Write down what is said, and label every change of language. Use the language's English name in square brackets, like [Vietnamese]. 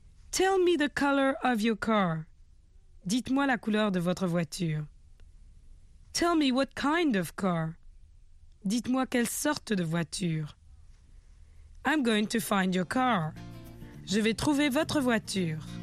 [English] Tell me the color of your car. [French] Dites-moi la couleur de votre voiture. [English] Tell me what kind of car. [French] Dites-moi quelle sorte de voiture. [English] I'm going to find your car. [French] Je vais trouver votre voiture.